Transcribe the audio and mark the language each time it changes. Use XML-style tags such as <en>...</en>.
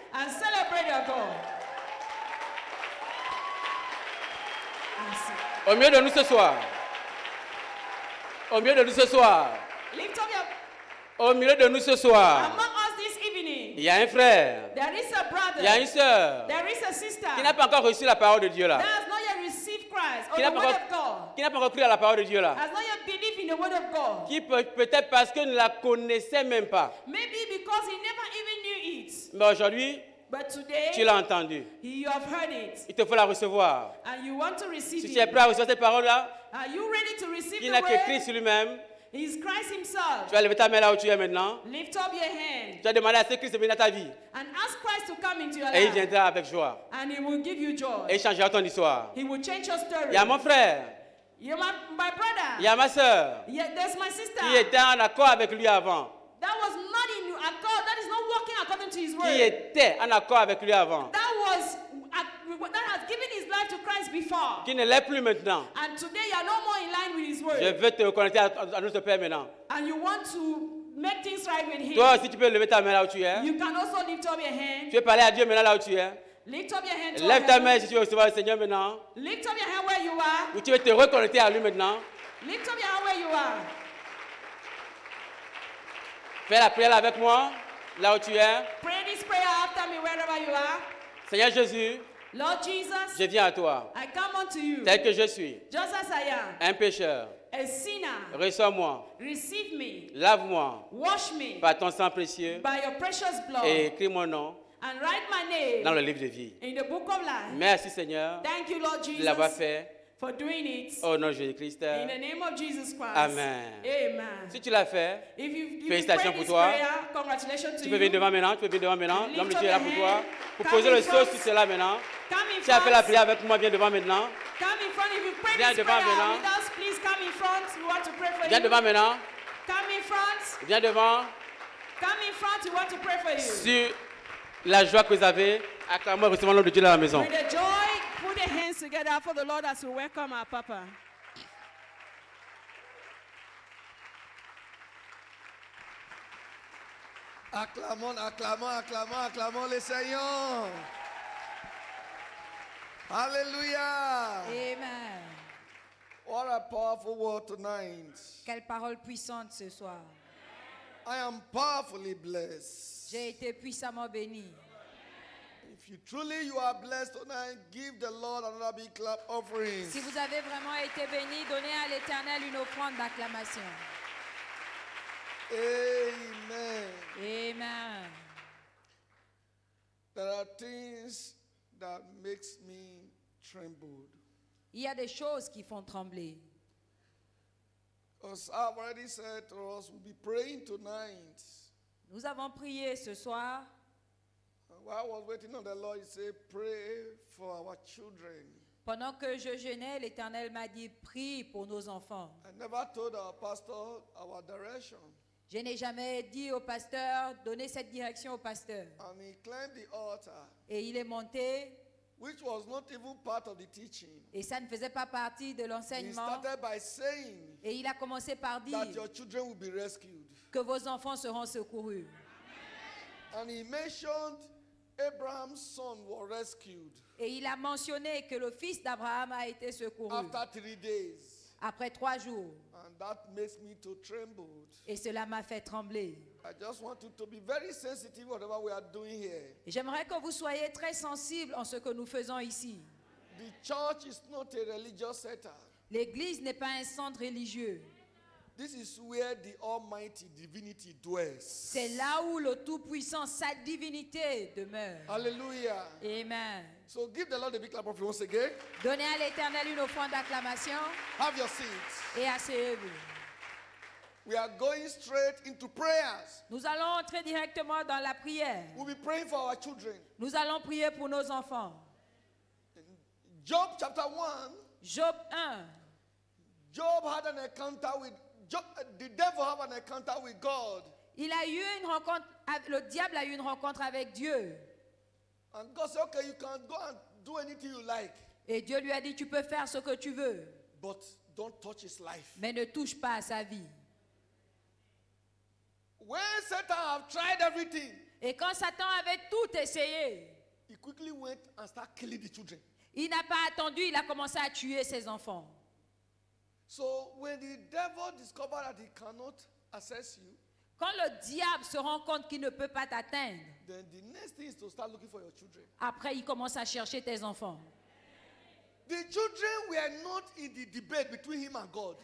<en>And celebrate your God.</en> <fr>Au mieux de nous ce soir. Au mieux de nous ce soir.</fr> <en>Lift up your.</en> <fr>Au milieu de nous ce soir.</fr> <en>Among us this evening.</en> <fr>Il y a un frère.</fr> <en>There is a brother.</en> <fr>Il y a une sœur.</fr> <en>There is a sister.</en> <fr>Qui n'a pas encore reçu la parole de Dieu là.</fr> <en>That has not yet received Christ or the word of God.</en> <fr>Qui n'a pas encore cru à la parole de Dieu là.</fr> <en>Has not yet believed in the word of God.</en> <fr>Qui peut-être parce que ne la connaissait même pas.</fr> <en>Maybe because he never even knew it.</en> <fr>Mais aujourd'hui.</fr> <en>But today,</en> <fr>tu l'as entendu.</fr> <en>You have heard it.</en> <fr>Il te faut la recevoir.</fr> <en>And you want to receive</en> <fr>si</fr> <en>it.</en> <fr>Tu es prêt à recevoir cette parole là.</fr> <en>Are you ready to receive the word?</en> <fr>Il n'a que Christ lui-même.</fr> <en>He is Christ himself.</en> <fr>Tu vas lever ta main là où tu es maintenant.</fr> <en>Lift up your hand.</en> <fr>Tu vas demander à ce Christ de venir dans ta vie.</fr> <en>And ask Christ to come into your life.</en> <fr>Et il viendra avec joie.</fr> <en>And he will give you joy.</en> <fr>Et il changera ton histoire.</fr> <en>He will change your story.</en> <fr>Il y a mon frère.</fr> <en>My brother.</en> <fr>Il y a ma soeur.</fr> <en>Yeah, there's my sister.</en> <fr>Qui était en accord avec lui avant.</fr> <en>That was not in accord. That is not working according to his word.</en> <fr>Qui était en accord avec lui avant.</fr> <en>That has given his life to Christ before.</en> <fr>Qui ne l'est plus maintenant.</fr> <en>And today you are no more in line with his word.</en> <fr>Je veux te reconnecter à notre Père maintenant.</fr> <en>And you want to make things right with him.</en> <fr>Toi aussi tu peux lever ta main là où tu es.</fr> <en>You can also lift up your hand.</en> <fr>Tu peux parler à Dieu maintenant là où tu es.</fr> <en>Lift up your hand.</en> <fr>Lève ta main si tu veux recevoir le Seigneur maintenant.</fr> <en>Lift up your hand where you are.</en> <fr>Où tu veux te reconnecter à lui maintenant.</fr> <en>Lift up your hand where you are.</en> <fr>Fais la prière avec moi là où tu es.</fr> <en>Pray this prayer after me wherever you are.</en> <fr>Seigneur Jésus.</fr> <en>Lord Jesus,</en> <fr>je viens à toi.</fr> <en>I come unto you.</en> <fr>Tel que je suis.</fr> <en>Just as I am.</en> <fr>Un pécheur.</fr> <en>A sinner.</en> <fr>Reçois-moi.</fr> <en>Receive me.</en> <fr>Lave-moi.</fr> <en>Wash me.</en> <fr>Par ton sang précieux.</fr> <en>By your precious blood.</en> <fr>Et écris mon nom.</fr> <en>And write my name.</en> <fr>Dans le livre de vie.</fr> <en>In the book of life.</en> <fr>Merci Seigneur.</fr> <en>Thank you Lord Jesus.</en> <fr>De l'avoir fait.</fr> <en>For doing it.</en> <fr>Au nom de Jésus-Christ.</fr> <en>In the name of Jesus Christ. Amen. Amen.</en> <fr>Si tu l'as fait.</fr> <en>If you've prayed this prayer, congratulations to you.</en> <fr>Tu peux venir devant maintenant. Tu peux venir devant maintenant. L'homme de Dieu est là pour toi. Pour poser le sceau sur cela maintenant. Tu as fait la prière avec moi, viens devant maintenant.</fr> <en>Come in front. If you pray this prayer with us, please come in front. We want to pray for you.</en> <fr>Viens devant maintenant.</fr> <en>Come in front.</en> <fr>Viens devant.</fr> <en>Come in front. We want to pray for you.</en> <fr>Sur la joie que vous avez, acclamons et recevons l'homme de Dieu dans la maison.</fr> <en>With the joy, put your hands together for the Lord as we welcome our Papa.</en> <fr>Acclamons le Seigneur. Alléluia. Amen.</fr> <en>What a powerful word tonight.</en> <fr>Quelle parole puissante ce soir.</fr> <en>I am powerfully blessed.</en> <fr>J'ai été puissamment béni.</fr> <en>If you truly you are blessed tonight, give the Lord another big clap offering.</en> <fr>Si vous avez vraiment été béni, donnez à l'Éternel une offrande d'acclamation. Amen. Amen.</fr> <en>There are things that makes me trembled.</en> <fr>Il y a des choses qui font trembler.</fr> <en>As I've already said to us, we'll be praying tonight.</en> <fr>Nous avons prié ce soir.</fr> <en>While I was waiting on the Lord, he said, pray for our children.</en> <fr>Pendant que je jeûnais, l'Éternel m'a dit, prie pour nos enfants.</fr> <en>I never told our pastor our direction.</en> <fr>Je n'ai jamais dit au pasteur, donnez cette direction au pasteur.</fr> <en>And he climbed the altar.</en> <fr>Et il est monté.</fr> <en>Which was not even part of the teaching.</en> <fr>Et ça ne faisait pas partie de l'enseignement.</fr> <en>He started by saying.</en> <fr>Et il a commencé par dire.</fr> <en>That your children will be rescued.</en> <fr>Que vos enfants seront secourus.</fr> <en>And he mentioned Abraham's son was rescued.</en> <fr>Et il a mentionné que le fils d'Abraham a été secouru.</fr> <en>After 3 days.</en> <fr>Après 3 jours.</fr> <en>And that makes me to tremble.</en> <fr>Et cela m'a fait trembler.</fr> <en>I just want to be very sensitive whatever we are doing here.</en> <fr>J'aimerais que vous soyez très sensible en ce que nous faisons ici.</fr> <en>The church is not a religious center.</en> <fr>L'église n'est pas un centre religieux.</fr> <en>This is where the Almighty Divinity dwells.</en> <fr>C'est là où le Tout-Puissant, sa divinité demeure. Hallelujah. Amen.</fr> <en>So give the Lord a big clap of you once again.</en> <fr>Donnez à l'Éternel une offrande d'acclamation.</fr> <en>Have your seats.</en> <fr>Et asseyez-vous.</fr> <en>We are going straight into prayers.</en> <fr>Nous allons entrer directement dans la prière.</fr> <en>We'll be praying for our children.</en> <fr>Nous allons prier pour nos enfants.</fr> <en>Job chapter 1.</en> <fr>Job 1.</fr> <en>Job had an encounter with Job, the devil had an encounter with God.</en> <fr>Il a eu une rencontre, le diable a eu une rencontre avec Dieu.</fr> <en>And God said, okay, you can go and do anything you like.</en> <fr>Et Dieu lui a dit, tu peux faire ce que tu veux.</fr> <en>But don't touch his life.</en> <fr>Mais ne touche pas à sa vie.</fr> <en>When Satan have tried everything,</en> <fr>et quand Satan avait tout essayé,</fr> <en>he quickly went and started killing the children.</en> <fr>Il n'a pas attendu, il a commencé à tuer ses enfants.</fr> <en>So when the devil discovered that he cannot access you,</en> <fr>quand le diable se rend compte qu'il ne peut pas t'atteindre,</fr> <en>then the next thing is to start looking for your children.</en> <fr>Après, il commence à chercher tes enfants.</fr> <en>The children were not in the debate between him and God.</en>